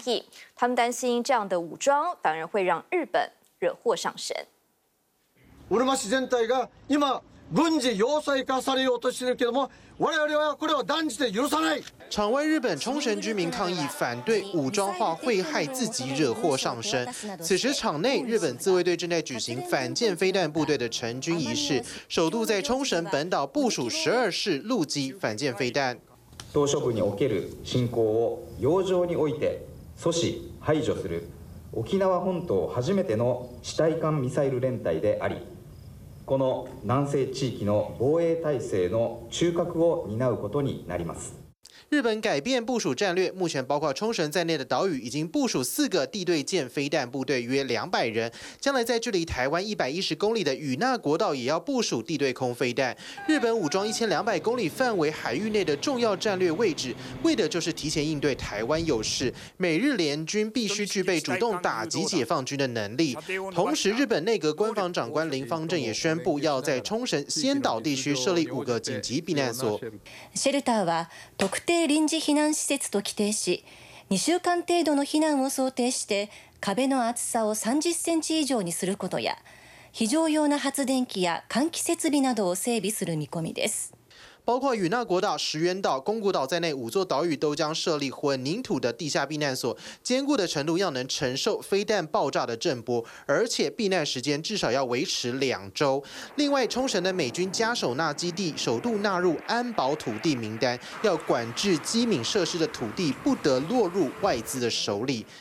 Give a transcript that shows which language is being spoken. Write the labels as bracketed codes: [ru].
[zh] 想选还不一定能选，光是第一关他要收集11万选民的联署都有问题了。但是他不孤单，因为根据皮尤民调，多达1/4的美国选民跟他一样不想含泪川败二选一。就是这么多。在军事方面，为了台海局势的变化来先做准备，日本冲绳的本岛反舰部队在周六正式成军。不过却引来不少的冲绳居民抗议，他们担心这样的武装反而会让日本惹祸上身。我们是 [ja] 全体が今軍事要塞化されようとしているけども、我々はこれは断じて許さない。 [zh] 场外日本冲绳居民抗议反对武装化会害自己惹祸上身。此时场内日本自卫队正在举行反舰飞弹部队的成军仪式，首都在冲绳本岛部署12式陆基反舰飞弹。 [ja] 島嶼部における侵攻を洋上において阻止排除する。沖縄本島初めての地対艦ミサイル連隊であり、この南西地域の防衛体制の中核を担うことになります。 [zh] 日本改变部署战略，目前包括冲绳在内的岛屿已经部署四个地对舰飞弹部队，约200人。将来在距离台湾110公里的与那国岛也要部署地对空飞弹。日本武装1200公里范围海域内的重要战略位置，为的就是提前应对台湾有事。美日联军必须具备主动打击解放军的能力。同时，日本内阁官房长官林芳正也宣布要在冲绳仙岛地区设立5个紧急避难所。 [ja] シェルターは特定臨時避難施設と規定し、2週間程度の避難を想定して壁の厚さを30センチ以上にすることや、非常用の発電機や換気設備などを整備する見込みです。 [zh] 包括与那国岛、石垣岛、宫古岛在内五座岛屿都将设立混凝土的地下避难所，坚固的程度要能承受飞弹爆炸的震波，而且避难时间至少要维持两周。另外，冲绳的美军加守那基地首度纳入安保土地名单，要管制机敏设施的土地不得落入外资的手里。